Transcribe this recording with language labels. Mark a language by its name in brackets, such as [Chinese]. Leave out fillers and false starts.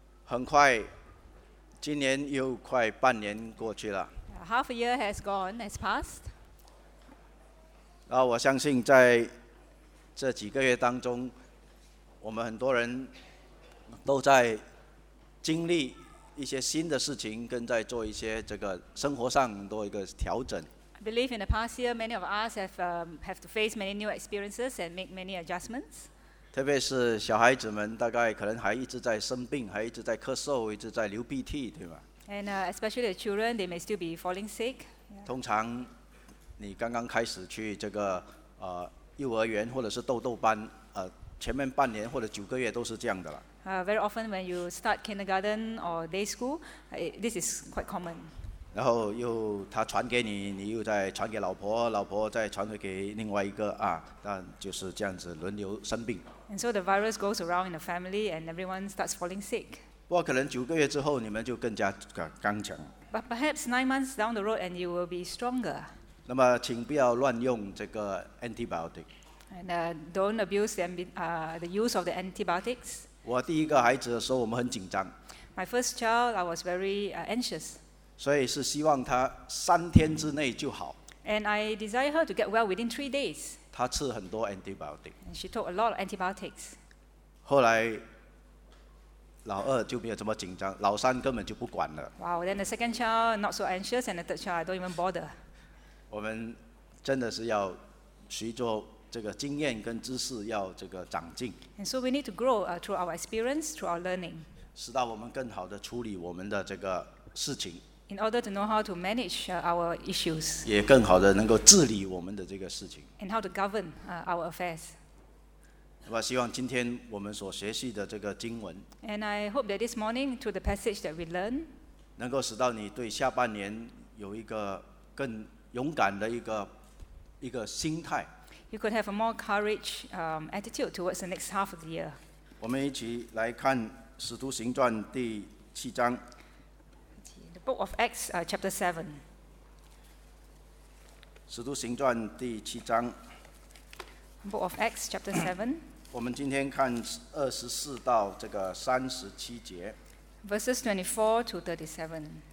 [Chinese] 很快，今年又快半年过去了。 [English] Half a year has gone, has passed. [Chinese] 那我相信在这几个月当中，我们很多人都在经历一些新的事情，跟在做一些这个生活上多一个调整。 [English] I believe in the past year, many of us have to face many new experiences and make many adjustments. [Chinese] 特别是小孩子们，大概可能还一直在生病，还一直在咳嗽，一直在流鼻涕，对吗 [English] ？And especially the children, they may still be falling sick.、Yeah. [Chinese] 通常，你刚刚开始去这个幼儿园或者是豆豆班，前面半年或者九个月都是这样的了。 [English] Very often when you start kindergarten or day school, this is quite common. [Chinese] 然后又他传给你，你又再传给老婆，老婆再传回给另外一个啊，那就是这样子轮流生病。 [English] And so the virus goes around in the family, and everyone starts falling sick. [Chinese] 不过可能九个月之后，你们就更加刚强。 [English] But perhaps 9 months down the road, and you will be stronger. [Chinese] 那么请不要乱用这个 antibiotic. [English] And don't abuse the use of the antibiotics. [Chinese] 我第一个孩子的时候，我们很紧张。 [English] My first child, I was very anxious. [Chinese] 所以是希望他3天之内就好。 [English] And I desire her to get well within 3 days. [Chinese] 他吃很多 antibiotic. [English] And she took a lot of antibiotics. [Chinese] 后来，老二就没有这么紧张，老三根本就不管了。 [English] Wow, then the second child not so anxious, and the third child I don't even bother. [Chinese] 我们真的是要随着。这个经验跟知识要这个长进。 [English] And so we need to grow through our experience, through our learning. [Chinese] 使到我们更好的处理我们的这个事情。 [English] In order to know how to manage our issues. [Chinese] 也更好的能够治理我们的这个事情。 [English] And how to govern our affairs. [Chinese] 我希望今天我们所学习的这个经文。 [English] And I hope that this morning, through the passage that we learn, [Chinese] 能够使到你对下半年有一个更勇敢的一个心态。 [English] You could have a more courage attitude towards the next half of the year. [Chinese] 我们一起来看《使徒行传》第七章。 [English] The Book of Acts, Chapter 7. [Chinese] 使徒行传第七章。 [English] Book of Acts, Chapter 7. [Chinese] 我们今天看24到这个37节。 [English] Verses 24 to 37.